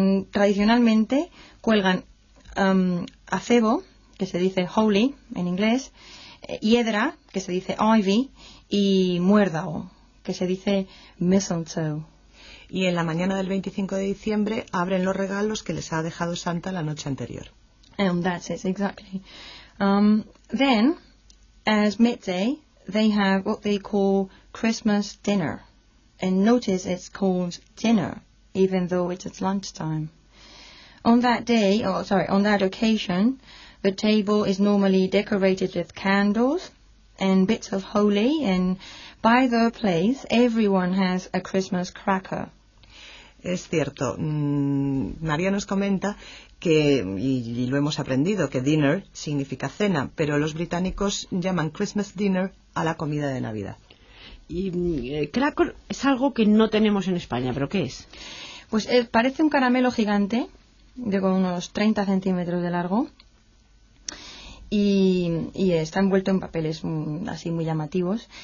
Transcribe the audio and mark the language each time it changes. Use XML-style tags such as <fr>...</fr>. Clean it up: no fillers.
<es>Tradicionalmente cuelgan acebo, que se dice holly en inglés, hiedra, que se dice ivy, y muérdago, que se dice mistletoe. Y en la mañana del 25 de diciembre abren los regalos que les ha dejado Santa la noche anterior.</es> <en>And that's it, exactly. Then, as midday, they have what they call Christmas dinner. And notice it's called dinner, even though it's lunchtime. On that occasion, the table is normally decorated with candles and bits of holly, and by their place, everyone has a Christmas cracker.</en> <es>Es cierto. María nos comenta que, y lo hemos aprendido, que dinner significa cena, pero los británicos llaman Christmas dinner a la comida de Navidad. Y cracker es algo que no tenemos en España, ¿pero qué es? Pues parece un caramelo gigante, de unos 30 centímetros de largo, y está envuelto en papeles así muy llamativos.</es>